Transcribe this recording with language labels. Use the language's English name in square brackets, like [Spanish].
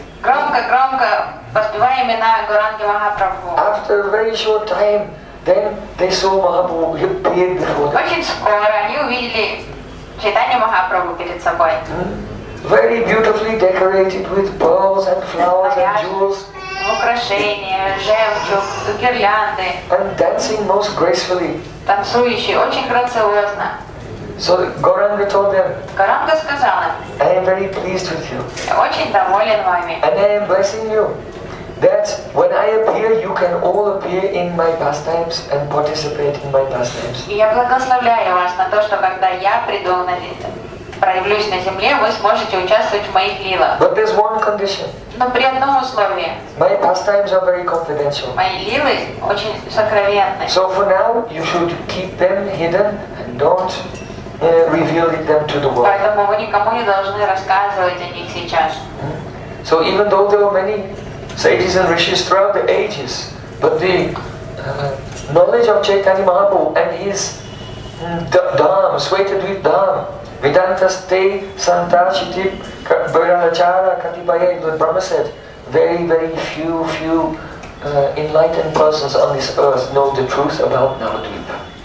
[Russian] Громко, воспевая имена Гуранги Махапрабху. [English] After a very short time, then they saw Mahaprabhu appear before them. [Russian] Очень скоро они увидели Чайтанью Махапрабху перед собой. [English] Very beautifully decorated with pearls and flowers and jewels. [Russian] Украшения, жемчуг, гирлянды. [English] And dancing most gracefully. [Russian] Танцующие очень грациозно. [English] So Gauranga told them. [Russian] Гауранга сказал им. [English] I am very pleased with you. [Russian] Я очень доволен вами. [English] And I am blessing you. That when I appear, you can all appear in my pastimes and participate in my pastimes. [Russian] Я благословляю вас на то, что когда я приду на землю. Проявлюсь на земле, вы сможете участвовать в моих лилах. [English] But there's one condition. [Russian] Но при одном условии. [English] My pastimes are very confidential. [Russian] Мои лилы очень сокровенны. [English] So for now, you should keep them hidden and don't reveal them to the world. [Russian] Поэтому вы никому не должны рассказывать о них сейчас. [English] So even though there were many sages and rishis throughout the ages, but the knowledge of Chaitanya Mahaprabhu and his dham, Svetadvip dham, [Sanskrit] Vedanta ste santa chiti brahmachara katipaye, [English] Lord Brahma said, very, very few enlightened persons on this earth know the truth about Navadvipa.